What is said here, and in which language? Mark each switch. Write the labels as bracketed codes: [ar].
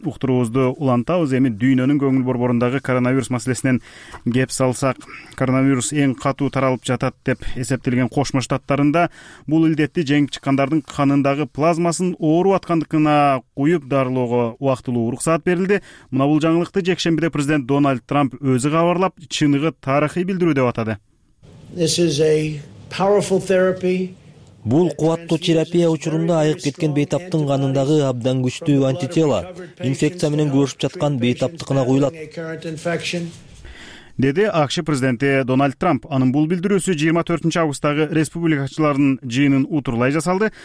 [ky] Уктуруубузду улантабыз. Эми дүйнөнүн көңүл борборундагы коронавирус маселесинен кеп салсак, коронавирус эң катуу таралып жатат деп эсептелген Кошмо Штаттарында бул илдетти жеңип чыккандардын канындагы плазмасын ооруп аткандыкына куюп дарылоого убактылуу уруксат берилди. Мына бул жаңылыкты жекшембиде президент Дональд Трамп өзү кабарлап, чыныгы тарыхый билдирүү деп атады. [en] This is a powerful therapy. [ky] Бул кубаттуу терапия учурунда айык кеткен бейтаптын канындагы абдан күчтүү антитела инфекция менен күрөшүп жаткан бейтаптыкына куюлат. Деди АКШ президенти Дональд Трамп. Анын бул билдирүүсү 24 августтагы республикачылардын жыйынын утурулай жасалды.